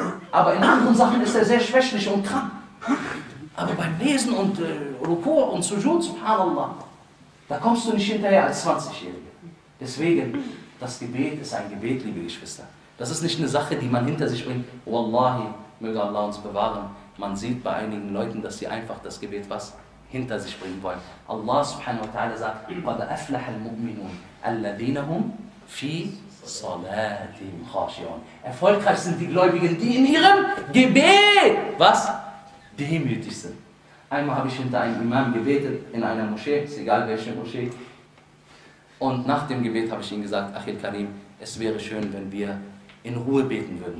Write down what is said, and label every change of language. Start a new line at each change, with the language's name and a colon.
German: Aber in anderen Sachen ist er sehr schwächlich und krank. Aber beim Lesen und Ruku und Sujud, subhanallah, da kommst du nicht hinterher als 20-Jähriger. Deswegen, das Gebet ist ein Gebet, liebe Geschwister. Das ist nicht eine Sache, die man hinter sich bringt. Wallahi, möge Allah uns bewahren. Man sieht bei einigen Leuten, dass sie einfach das Gebet was hinter sich bringen wollen.
Arabic: Allah subhanahu wa ta'ala
German: sagt,
Arabic: قَدَ أَفْلَحَ الْمُؤْمِنُونَ الَّذِينَ هُمْ فِي Salatim Khashiyon.
German: Erfolgreich sind die Gläubigen, die in ihrem Gebet, was? Demütig sind. Einmal habe ich hinter einem Imam gebetet, in einer Moschee, ist egal welche Moschee. Und nach dem Gebet habe ich ihm gesagt, Achil Karim, es wäre schön, wenn wir in Ruhe beten würden.